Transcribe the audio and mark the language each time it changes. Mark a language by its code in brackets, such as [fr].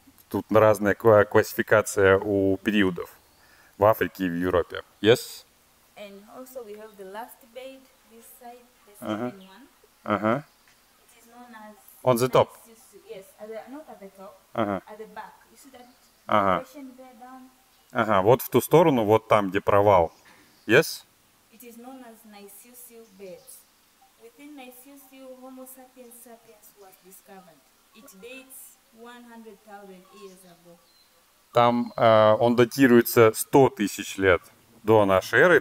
[ru] Тут разная классификация у периодов в Африке и в Европе. [en] Yes? And also we have the last bed, this side, the second one. It is known as... On the top? Yes, not at the top, at the back. You see that depression there down? [ru] Ага, вот в ту сторону, вот там, где провал. [en] Yes? It is known as Nisusiu bed. Within Nisusiu, Homo sapiens sapiens was discovered. It dates 100,000 years ago. [ru] Там он датируется 100 тысяч лет до нашей эры.